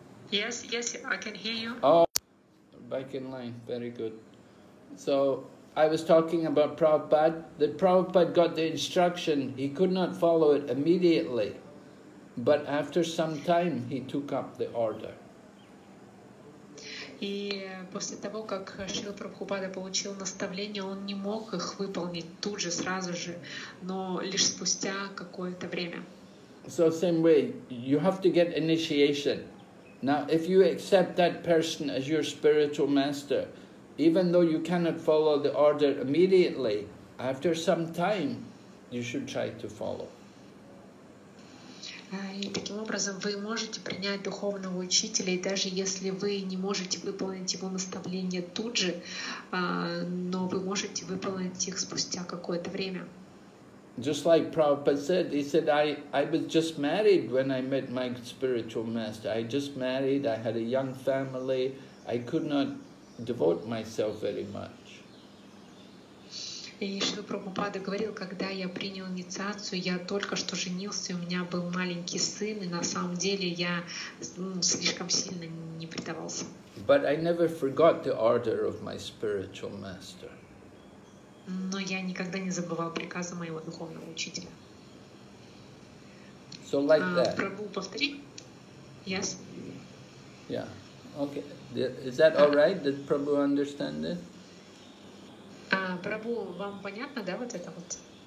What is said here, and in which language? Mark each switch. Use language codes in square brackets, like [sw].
[en] Yes, yes, I can hear you. Oh, back in line, very good. So, I was talking about Prabhupada, that Prabhupada got the instruction, he could not follow it immediately, but after some time, he took up the order. [ru] И после того, как Шрила Прабхупада получил наставление, он не мог их выполнить тут же, сразу же, но лишь спустя какое-то время. [en] So same way, you have to get initiation. Now, if you accept that person as your spiritual master, even though you cannot follow the order immediately, after some time, you should try to follow. [ru] И таким образом вы можете принять духовного учителя, и даже если вы не можете выполнить его наставление тут же, но вы можете выполнить их спустя какое-то время. [en] Just like Prabhupada said, he said, I was just married when I met my spiritual master. I just married, I had a young family, I could not devote myself very much. [ru] И Шрила Прабхупада говорил, когда я принял инициацию, я только что женился, у меня был маленький сын, и на самом деле я слишком сильно не предавался. [en] But I never forgot the order of my spiritual master. [ru] Но я никогда не забывал приказы моего духовного учителя. [en] So like that. [ru] Прабху, повтори. Yes. [en] Yeah. Okay. Is that all right? Did Prabhu understand it? [ru] Прабу, вам понятно, да, вот это вот?